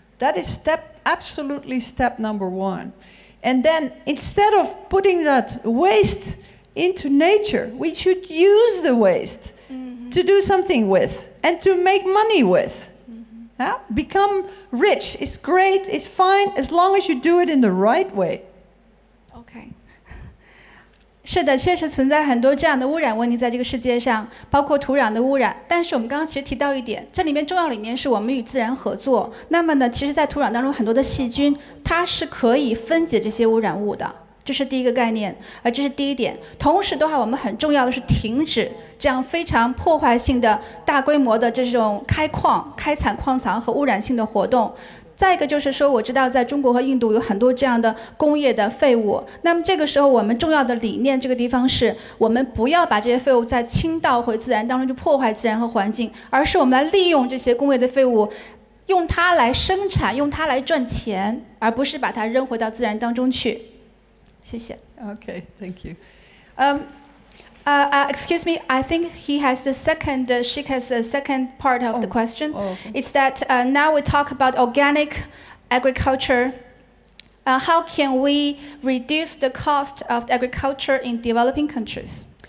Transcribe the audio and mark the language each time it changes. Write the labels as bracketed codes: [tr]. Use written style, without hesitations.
[en] That is absolutely step number one. And then instead of putting that waste into nature, we should use the waste to do something with and to make money with. Yeah? Become rich, it's great, it's fine, as long as you do it in the right way. [zh] 是的，确实存在很多这样的污染问题在这个世界上，包括土壤的污染。但是我们刚刚其实提到一点，这里面重要理念是我们与自然合作。那么呢，其实在土壤当中很多的细菌，它是可以分解这些污染物的。这是第一个概念，这是第一点。同时的话，我们很重要的是停止这样非常破坏性的大规模的这种开矿、开采矿藏和污染性的活动。再一个就是说，我知道在中国和印度有很多这样的工业的废物，那么这个时候我们重要的理念这个地方是，我们不要把这些废物再倾倒回自然当中去破坏自然和环境，而是我们来利用这些工业的废物，用它来生产，用它来赚钱，而不是把它扔回到自然当中去。谢谢。 [en] Okay, thank you. Excuse me, I think she has the second part of the question. It's that now we talk about organic agriculture. How can we reduce the cost of agriculture in developing countries?